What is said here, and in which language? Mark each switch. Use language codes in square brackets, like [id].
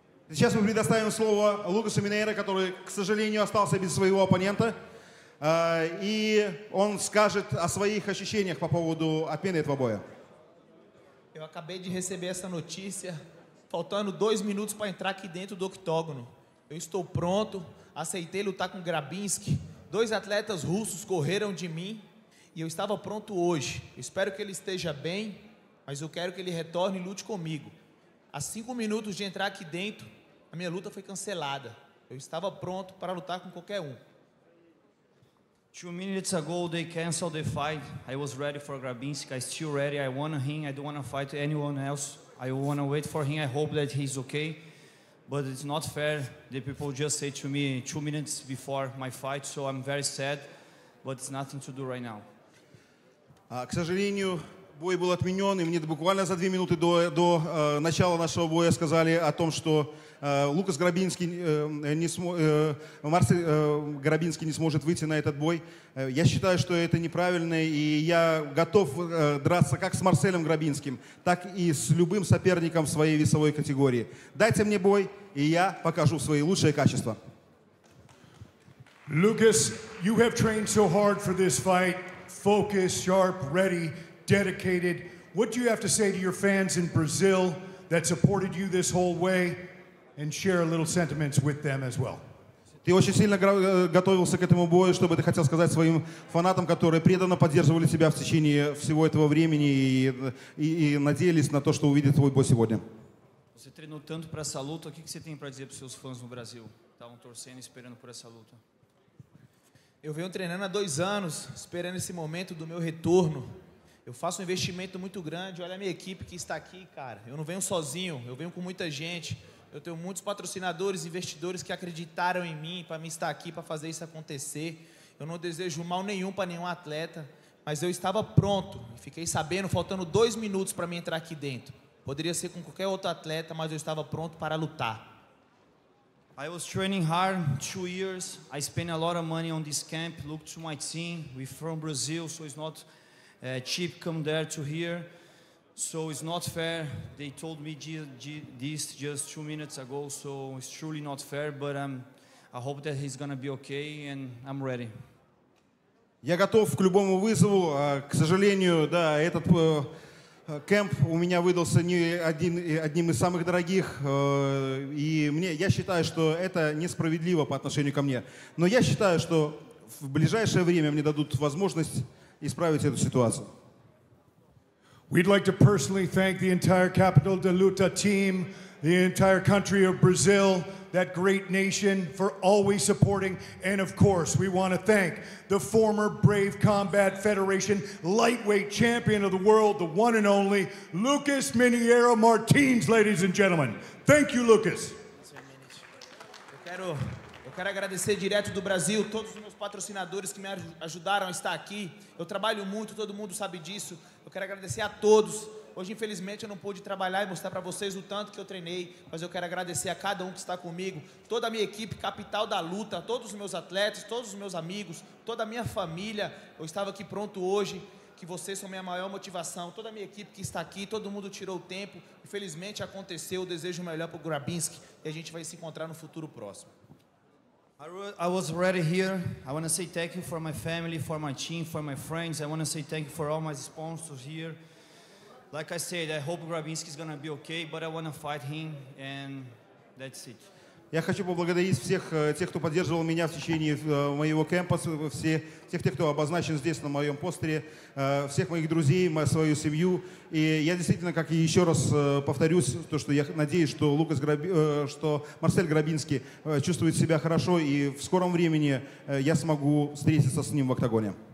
[ru] Сейчас мы предоставим слово Лукасу Минейро, который, к сожалению, остался без своего оппонента. И он скажет о своих ощущениях по поводу отмены этого боя. [pt] Eu acabei de receber essa notícia, faltando 2 minutos para entrar aqui dentro do octógono. Eu estou pronto, aceitei lutar com Grabinski. 2 atletas russos correram de mim e eu estava pronto hoje. Espero que ele esteja bem, mas eu quero que ele retorne e lute comigo. Há 5 minutos de entrar aqui dentro, a minha luta foi cancelada. Eu estava pronto para lutar com qualquer um. [en] 2 minutes ago they canceled the fight. I was ready for Grabinski. I still ready. I want him. I don't want to fight anyone else. I want to wait for him. I hope that he's okay. But it's not fair. The people just say to me 2 minutes before my fight, so I'm very sad, but it's nothing to do right now. [ru] К сожалению, бой был отменен, и мне буквально за 2 минуты до начала нашего боя сказали о том, что Лукас Грабинский Марсель Грабинский не сможет выйти на этот бой. Я считаю, что это неправильно, и я готов драться как с Марселем Грабинским, так и с любым соперником в своей весовой категории. Дайте мне бой, и я покажу свои лучшие качества. [en] Lucas, you have trained so hard for this fight. Focus, sharp, ready. Dedicated. What do you have to say to your fans in Brazil that supported you this whole way and share a little sentiments with them as well? [ru] Ты очень сильно готовился к этому бою, чтобы ты хотел сказать своим фанатам, которые преданно поддерживали тебя в течение всего этого времени и надеялись на то, что увидят твой бой сегодня. [pt] Você treinou tanto para essa luta, o que você tem para dizer para seus fãs no Brasil? Estavam torcendo e esperando por essa luta. Eu venho treinando há 2 anos, esperando esse momento do meu retorno. Eu faço investimento muito grande, olha a minha equipe que está aqui, cara. Eu não venho sozinho, eu venho com muita gente. Eu tenho muitos patrocinadores, investidores que acreditaram em mim para me estar aqui, para fazer isso acontecer. Eu não desejo mal nenhum para nenhum atleta, mas eu estava pronto. Fiquei sabendo, faltando 2 minutos para me entrar aqui dentro. Poderia ser com qualquer outro atleta, mas eu estava pronto para lutar. [en] I was training hard 2 years. I spent a lot of money on this camp, look to my team. We're from Brazil, so it's not... cheap come there to here, so it's not fair. They told me this just 2 minutes ago, so it's truly not fair, but I hope that he's gonna be okay and I'm ready. [ru] Я готов к любому вызову. К сожалению, да, этот кемп у меня выдался не одним из самых дорогих, я считаю, что это несправедливо по отношению ко мне, но я считаю, что в ближайшее время мне дадут возможность исправить эту ситуацию. [en] We'd like to personally thank the entire Capital de Luta team, the entire country of Brazil, that great nation, for always supporting. And of course, we want to thank the former Brave Combat Federation lightweight champion of the world, the one and only Lucas Mineiro Martins, ladies and gentlemen. Thank you, Lucas. [pt] Quero agradecer direto do Brasil todos os meus patrocinadores que me ajudaram a estar aqui. Eu trabalho muito, todo mundo sabe disso. Eu quero agradecer a todos. Hoje, infelizmente, eu não pude trabalhar e mostrar para vocês o tanto que eu treinei, mas eu quero agradecer a cada um que está comigo, toda a minha equipe, Capital da Luta, todos os meus atletas, todos os meus amigos, toda a minha família. Eu estava aqui pronto hoje. que vocês são minha maior motivação. Toda a minha equipe que está aqui, todo mundo tirou o tempo. Infelizmente aconteceu. Eu desejo o melhor para o Grabinski e a gente vai se encontrar no futuro próximo. [en] I was ready here. I want to say thank you for my family, for my team, for my friends. I want to say thank you for all my sponsors here. Like I said, I hope Grabinski is going to be okay, but I want to fight him, and that's it. [ru] Я хочу поблагодарить всех тех, кто поддерживал меня в течение моего кемпа, всех тех, кто обозначен здесь на моем постере, всех моих друзей, свою семью. И я действительно, как и еще раз повторюсь, то, что я надеюсь, что Марсель Грабински чувствует себя хорошо, и в скором времени я смогу встретиться с ним в октагоне.